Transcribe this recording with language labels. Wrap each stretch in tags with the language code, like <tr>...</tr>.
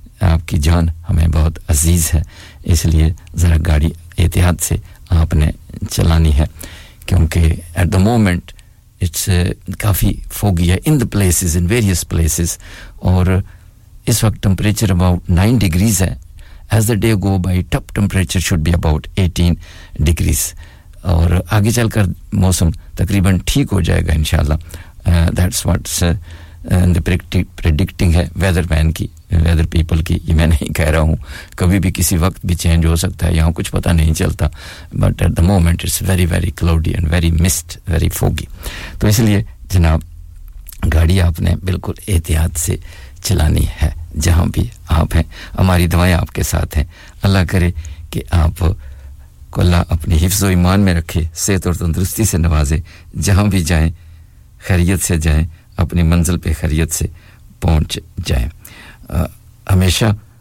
<ur>آپ کی جان ہمیں بہت عزیز ہے اس لیے ذرا گاڑی احتیاط سے آپ نے چلانی ہے کیونکہ</ur> <en>at the moment it's</en> <ur>coffee</ur> <en>foggy ہے in the places in various places</en> <ur>اور اس وقت</ur> <en>temperature about 9 degrees ہے As the day go by, top temperature should be about 18 degrees.</en> <ur>اور آگے چل کر موسم تقریباً ٹھیک ہو جائے گا انشاءاللہ.</ur> <en>That's what's the predicting</en> <ur>ہے</ur> <en>weatherman</en> <ur>کی,</ur> <en>weather people کی.</en> <ur>یہ میں نہیں کہہ رہا ہوں. کبھی بھی کسی وقت بھی change ہو سکتا ہے. یہاں کچھ پتا نہیں چلتا.</ur> <en>But at the moment, it's very, very cloudy and very mist, very foggy.</en> <ur>تو اس لیے جناب, گاڑی آپ نے بالکل احتیاط سے چلانی ہے. جہاں بھی آپ ہیں ہماری دعائیں آپ کے ساتھ ہیں اللہ کرے کہ آپ کو اللہ اپنی حفظ و ایمان میں رکھے صحت اور تندرستی سے نوازے جہاں بھی جائیں خیریت سے جائیں اپنی منزل پہ خیریت سے پہنچ جائیں ہمیشہ</ur>